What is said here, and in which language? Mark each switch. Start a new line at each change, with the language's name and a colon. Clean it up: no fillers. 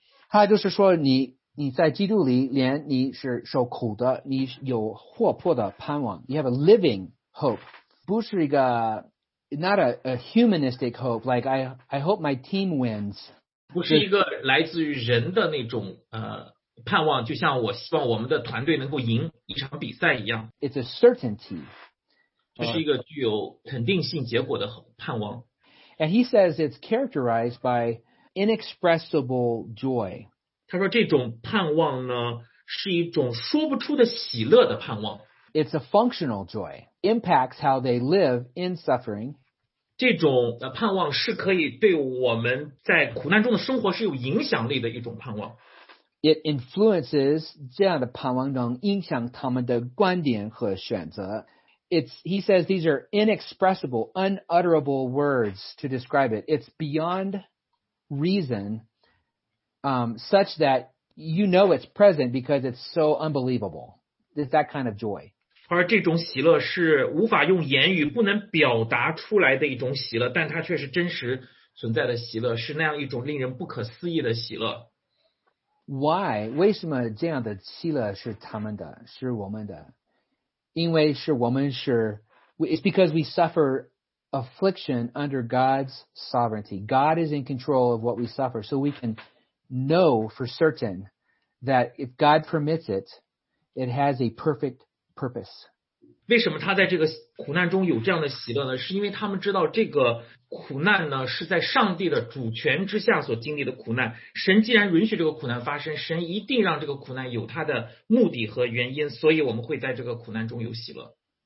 Chinese: 他就是说你在基督里，连你是受苦的，你有活泼的盼望，
English: you have a living hope，
Chinese: 不是一个
English: not a humanistic hope like I hope my team wins，
Chinese: 不是一个来自于人的那种盼望，就像我希望我们的团队能够赢一场比赛一样。
English: It's a certainty，
Chinese: 这是一个具有肯定性结果的盼望。
English: And he says it's characterized by inexpressible joy，
Chinese: 他说这种盼望呢是一种说不出的喜乐的盼望。
English: It's a functional joy，impacts how they live in suffering.
Chinese: 这种盼望是可以对我们在苦难中的生活是有影响力的一种盼望。
English: It influences
Chinese: 这样的盼望能影响他们的观点和选择。
English: He says these are inexpressible, unutterable words to describe it. It's beyond reason, such that you know it's present because it's so unbelievable. It's that kind of joy.
Chinese: 而这种喜乐是无法用言语不能表达出来的一种喜乐，但它却是真实存在的喜乐，是那样一种令人不可思议的喜乐。
English: Why？
Chinese: 为什么这样的喜乐是他们的，是我们的？因为是我们是
English: It's because we suffer affliction under God's sovereignty. God is in control of what we suffer, so we can know for certain that if God permits it, it has a perfect purpose.
Chinese: 为什么他在这个苦难中有这样的喜乐呢？是因为他们知道这个苦难呢是在上帝的主权之下所经历的苦难。神既然允许这个苦难发生，神一定让这个苦难有他的目的和原因，所以我们会在这个苦难中有喜乐。